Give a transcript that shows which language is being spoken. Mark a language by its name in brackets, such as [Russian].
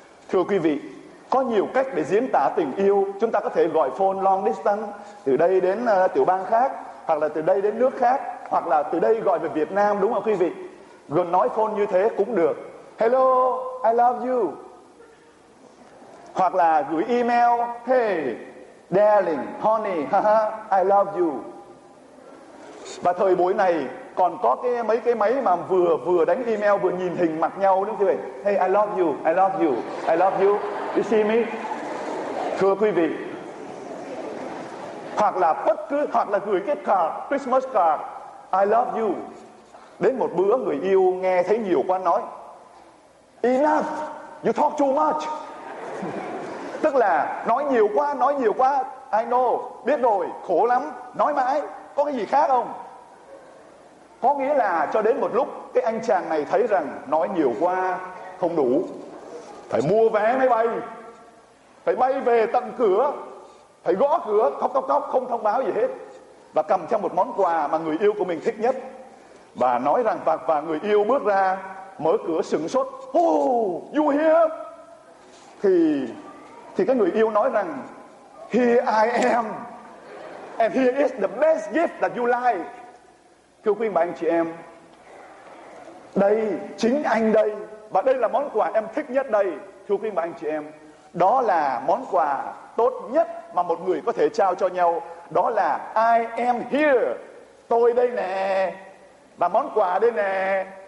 [Vietnamese] Thưa quý vị, có nhiều cách để diễn tả tình yêu. Chúng ta có thể gọi phone [English] long distance [Vietnamese] từ đây đến tiểu bang khác, hoặc là từ đây đến nước khác, hoặc là từ đây gọi về Việt Nam, đúng không quý vị? Gần nói phone như thế cũng được. [English] Hello, I love you. [Vietnamese] Hoặc là gửi email. [English] Hey, darling, honey, I love you. [Vietnamese] Và thời buổi này còn có mấy cái máy mà vừa đánh email vừa nhìn hình mặt nhau, đúng không quý vị? [English] Hey, I love you, I love you, I love you. You see me? [Vietnamese] Thưa quý vị. Hoặc là gửi cái card, Christmas card, [English] I love you. [Vietnamese] Đến một bữa người yêu nghe thấy nhiều quá nói, [English] enough, you talk too much. [Vietnamese] Tức là nói nhiều quá, [English] I know, [Vietnamese] biết rồi, khổ lắm, nói mãi, có cái gì khác không? Có nghĩa là cho đến một lúc, cái anh chàng này thấy rằng nói nhiều quá không đủ, phải mua vé máy bay, phải bay về tận cửa, phải gõ cửa, khóc khóc khóc, không thông báo gì hết. Và cầm trong một món quà mà người yêu của mình thích nhất. Và nói rằng, và người yêu bước ra, mở cửa sửng sốt. [English] Oh, you here? [Vietnamese] Thì cái người yêu nói rằng, [English] here I am. And here is the best gift that you like. [Vietnamese] Thưa quý bà anh chị em, đây, chính anh đây. Và đây là món quà em thích nhất đây. Thưa quý bà anh chị em, đó là món quà tốt nhất mà một người có thể trao cho nhau, đó là [English] I am here, [Vietnamese] tôi đây nè, và món quà đây nè.